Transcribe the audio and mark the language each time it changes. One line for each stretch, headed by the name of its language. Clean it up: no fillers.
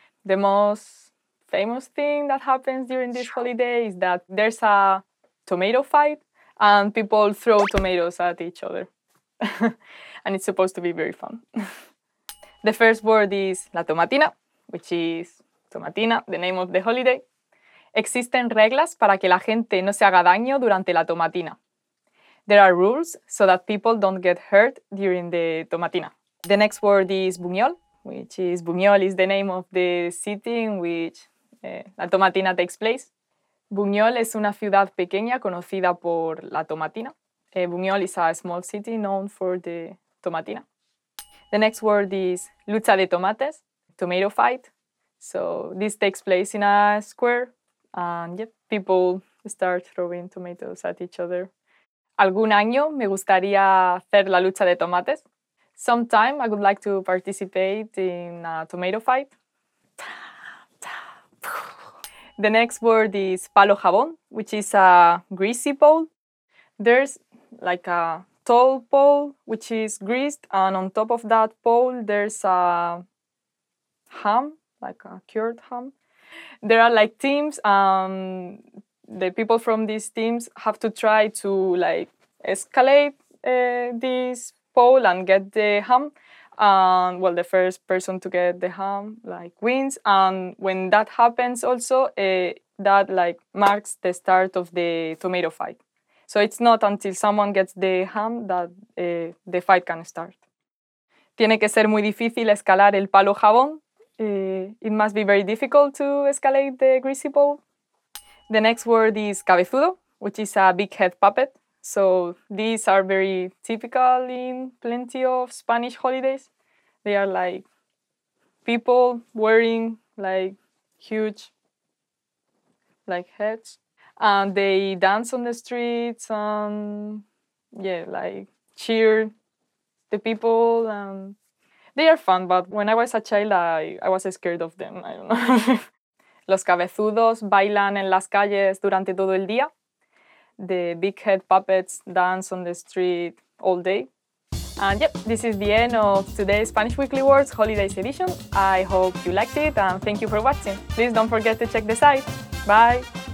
English: The most famous thing that happens during this holiday is that there's a tomato fight and people throw tomatoes at each other. And it's supposed to be very fun. The first word is la tomatina, which is tomatina, the name of the holiday.
Spanish: Existen reglas para que la gente no se haga daño durante la tomatina.
English: There are rules so that people don't get hurt during the tomatina. The next word is buñol, which is buñol is the name of the city in which la tomatina takes place.
Spanish: Buñol es una ciudad pequeña conocida por la tomatina.
English: Buñol is a small city known for the tomatina. The next word is lucha de tomates, tomato fight. So this takes place in a square and yep, people start throwing tomatoes at each other.
Spanish: Algún año me gustaría hacer la lucha de tomates.
English: Sometime I would like to participate in a tomato fight. The next word is palo jabón, which is a greasy bowl. There's like a tall pole which is greased, and on top of that pole there's a ham, like a cured ham. There are like teams, the people from these teams have to try to like escalate this pole and get the ham. And well, the first person to get the ham like wins, and when that happens also that like marks the start of the tomato fight. So it's not until someone gets the ham that the fight can start.
Spanish: Tiene que ser muy difícil escalar el palo jabón.
English: It must be very difficult to escalate the greasy pole. The next word is cabezudo, which is a big head puppet. So these are very typical in plenty of Spanish holidays. They are like people wearing like huge like heads. And they dance on the streets and yeah, like cheer the people, and they are fun, but when I was a child I was scared of them, I don't know.
Spanish: Los cabezudos bailan en las calles durante todo el día.
English: The big head puppets dance on the street all day. And yep, this is the end of today's Spanish Weekly Words Holidays Edition. I hope you liked it and thank you for watching. Please don't forget to check the site. Bye!